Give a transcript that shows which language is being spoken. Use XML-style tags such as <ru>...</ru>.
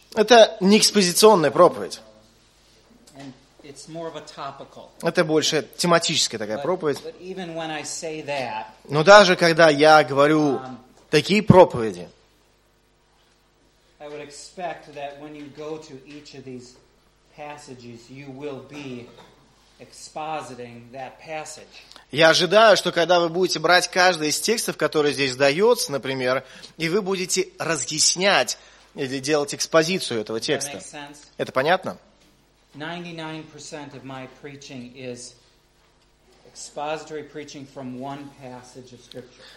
<ru>Это не экспозиционная проповедь.</ru> <en>And it's more of a topical.</en> <ru>Это больше тематическая такая проповедь.</ru> <en>But even when I say that,</en> <ru>но даже когда я говорю такие проповеди,</ru> <en>I would expect that when you go to each of these passages, you will be expositing that passage.</en> <ru>Я ожидаю, что когда вы будете брать каждый из текстов, который здесь дается, например, и вы будете разъяснять или делать экспозицию этого текста. Это понятно?</ru> <en>99% of my preaching is expository preaching from one passage of scripture.</en>